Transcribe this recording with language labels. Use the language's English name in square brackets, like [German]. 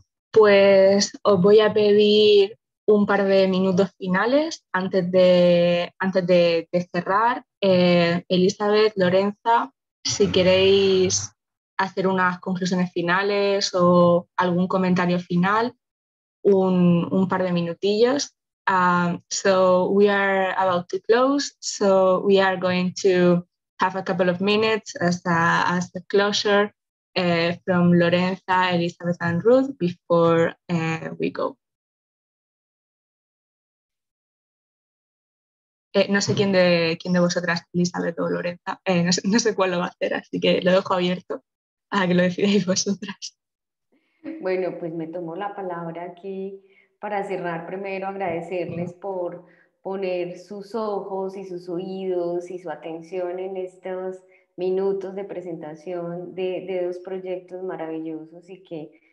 [Spanish] Pues os voy a pedir un par de minutos finales antes de cerrar. Elizabeth, Lorenza, si queréis hacer unas conclusiones finales o algún comentario final, un par de minutillos. [English] So we are about to close, so we are going to have a couple of minutes as the closure from Lorenza, Elizabeth, and Ruth before we go. [Spanish] No sé quién de vosotras, Elizabeth o Lorenza, no sé cuál lo va a hacer, así que lo dejo abierto a que lo decidáis vosotras. Bueno, pues me tomo la palabra aquí. Para cerrar, primero agradecerles por poner sus ojos y sus oídos y su atención en estos minutos de presentación de dos proyectos maravillosos y que